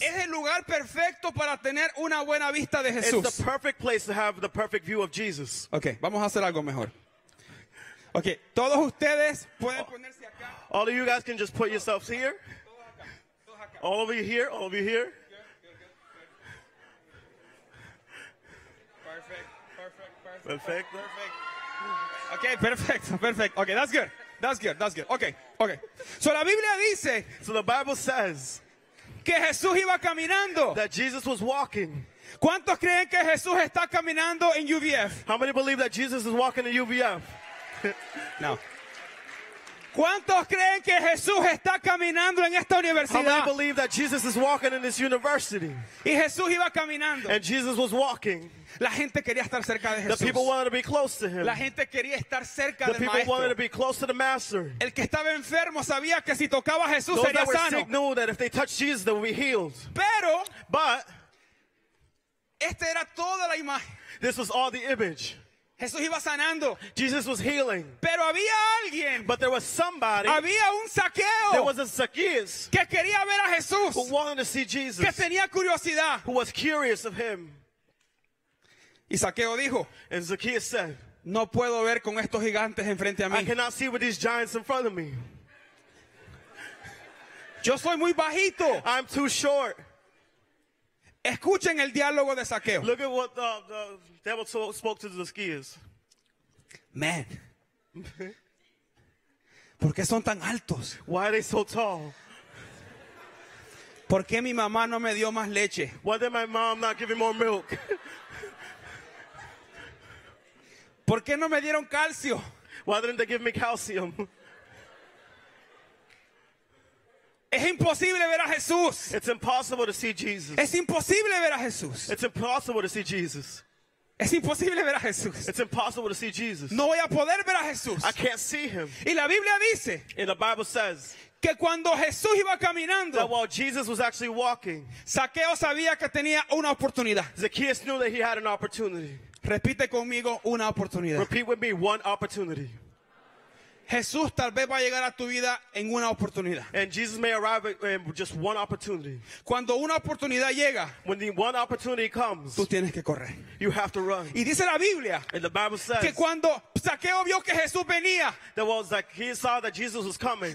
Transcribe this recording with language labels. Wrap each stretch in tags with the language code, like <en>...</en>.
<es>Es el lugar perfecto para tener una buena vista de Jesús.</es> <en>It's the perfect place to have the perfect view of Jesus.</en> <es>Okay, vamos a hacer algo mejor. Okay, todos ustedes pueden ponerse acá.</es> <en>All of you guys can just put yourselves here. All of you here, all of you here. Perfect. Okay, perfect. Okay, that's good. Okay. So</en> <es>la Biblia dice,</es> <en>so the Bible says,</en> <es>que Jesús iba caminando.</es> <en>That Jesus was walking.</en> <es>¿Cuántos creen que Jesús está caminando en UVF?</es> <en>How many believe that Jesus is walking in UVF?</en> <es>No. ¿Cuántos creen que Jesús está caminando en esta universidad?</es> <en>How many believe that Jesus is walking in this university?</en> <es>Y Jesús iba caminando.</es> <en>And Jesus was walking.</en> <es>La gente quería estar cerca de Jesús.</es> <en>The people wanted to be close to him.</en> <es>La gente quería estar cerca del maestro.</es> <en>The people wanted to be close to the master.</en> <es>El que estaba enfermo sabía que si tocaba a Jesús sería sano.</es> <en>Those that were sick knew that if they touched Jesus, they would be healed.</en> <es>Pero,</es> <en>but,</en> <es>esta era toda la imagen.</es> <en>This was all the image.</en> <es>Jesús iba sanando.</es> <en>Jesus was healing.</en> <es>Pero había alguien.</es> <en>But there was somebody.</en> <es>Había un Zaqueo.</es> <en>There was a Zacchaeus.</en> <es>Que quería ver a Jesús.</es> <en>Who wanted to see Jesus.</en> <es>Que tenía curiosidad.</es> <en>Who was curious of him.</en> <es>Y Zaqueo dijo,</es> <en>and Zacchaeus said,</en> <es>no puedo ver con estos gigantes enfrente a mí.</es> <en>I cannot see with these giants in front of me.</en> <es>Yo soy muy bajito.</es> <en>I'm too short.</en> <es>Escuchen el diálogo de Zaqueo.</es> <en>Look at what the devil spoke to Zacchaeus. Man.</en> <es>¿Por qué son tan altos?</es> <en>Why are they so tall?</en> <es>¿Por qué mi mamá no me dio más leche?</es> <en>Why did my mom not give me more milk?</en> <es>¿Por qué no me dieron calcio?</es> <en>Why didn't they give me calcium?</en> <es>Es imposible ver a Jesús.</es> <en>It's impossible to see Jesus.</en> <es>Es imposible ver a Jesús.</es> <en>It's impossible to see Jesus.</en> <es>Es imposible ver a Jesús.</es> <en>It's impossible to see Jesus.</en> <es>No voy a poder ver a Jesús.</es> <en>I can't see him.</en> <es>Y la Biblia dice,</es> <en>and the Bible says,</en> <es>que cuando Jesús iba caminando,</es> <en>that while Jesus was actually walking,</en> <es>Zaqueo sabía que tenía una oportunidad.</es> <en>Zacchaeus knew that he had an opportunity.</en> <es>Repite conmigo una oportunidad.</es> <en>Repeat with me, one opportunity.</en> <es>Jesús tal vez va a llegar a tu vida en una oportunidad.</es> <en>And Jesus may arrive in just one opportunity.</en> <es>Cuando una oportunidad llega,</es> <en>when the one opportunity comes,</en> <es>tú tienes que correr.</es> <en>You have to run.</en> <es>Y dice la Biblia,</es> <en>and the Bible says,</en> <es>que cuando Zaqueo vio que Jesús venía,</es> <en>that was like he saw that Jesus was coming.</en>